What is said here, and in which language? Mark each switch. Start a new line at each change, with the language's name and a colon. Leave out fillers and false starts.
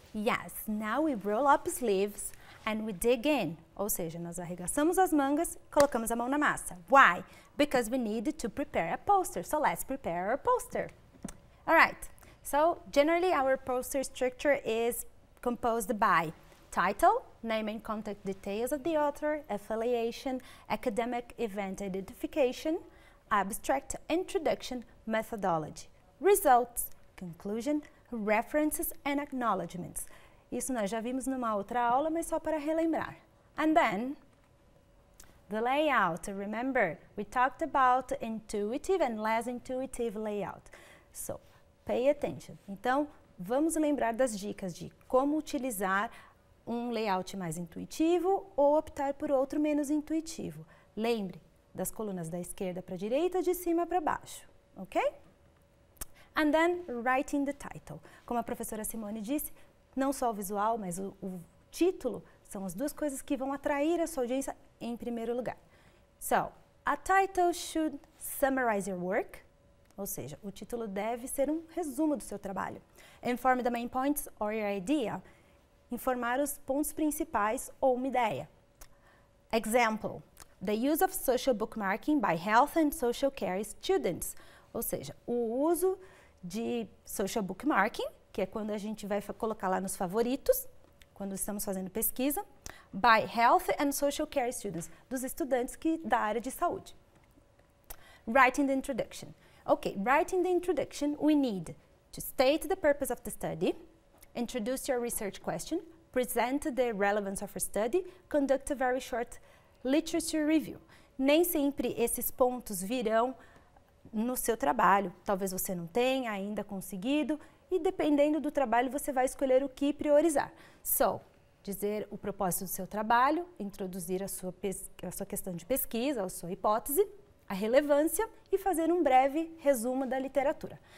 English: Yes, now we roll up sleeves and we dig in.
Portuguese: Ou seja, nós arregaçamos as mangas, colocamos a mão na massa.
English: Why? Because we need to prepare a poster. So, let's prepare our poster. All right. So, generally, our poster structure is composed by title, name and contact details of the author, affiliation, academic event identification, abstract, introduction, methodology, results, conclusion, references and acknowledgements.
Portuguese: Isso nós já vimos numa outra aula, mas só para relembrar.
English: And then, the layout. Remember, we talked about intuitive and less intuitive layout. So, pay attention.
Portuguese: Então, vamos lembrar das dicas de como utilizar um layout mais intuitivo ou optar por outro menos intuitivo. Lembre das colunas da esquerda para a direita, de cima para baixo, ok?
English: And then, writing the title.
Portuguese: Como a professora Simone disse, não só o visual, mas o título são as duas coisas que vão atrair a sua audiência em primeiro lugar.
English: So, a title should summarize your work.
Portuguese: Ou seja, o título deve ser um resumo do seu trabalho.
English: Inform the main points or your idea.
Portuguese: Informar os pontos principais ou uma ideia.
English: Example, the use of social bookmarking by health and social care students.
Portuguese: Ou seja, o uso de social bookmarking, que é quando a gente vai colocar lá nos favoritos, quando estamos fazendo pesquisa,
English: by health and social care students,
Portuguese: dos estudantes que da área de saúde.
English: Writing the introduction. Ok, writing the introduction, we need to state the purpose of the study, introduce your research question, present the relevance of your study, conduct a very short literature review.
Portuguese: Nem sempre esses pontos virão no seu trabalho. Talvez você não tenha ainda conseguido e dependendo do trabalho você vai escolher o que priorizar. So, dizer o propósito do seu trabalho, introduzir a sua questão de pesquisa, a sua hipótese, a relevância e fazer um breve resumo da literatura.